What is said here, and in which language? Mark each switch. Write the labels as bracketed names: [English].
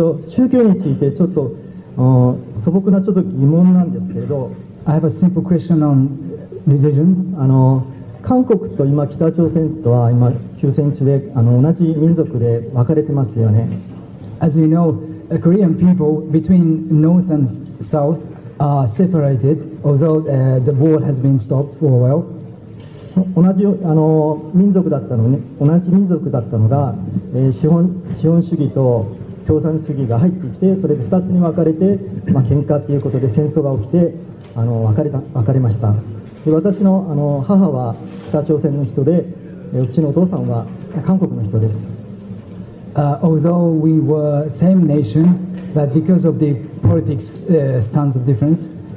[Japanese] 宗教についてちょっと素朴なちょっと疑問なんですけれど、 [English] I have a simple question on religion. [Japanese] 韓国と今北朝鮮とは今休戦中で同じ民族で分かれてますよね。 [English] As you know, Korean people between North and South are separated, although the war has been stopped for a while. [Japanese] 同じ民族だったのね、同じ民族だったのが、資本主義と共産主義が入ってきて、それで2つに分かれて、喧嘩ということで戦争が起きて分かれました。で、私の母は北朝鮮の人で、うちのお父さんは韓国の人です。 [English] Although we were same nation, but because of the politics stands of difference,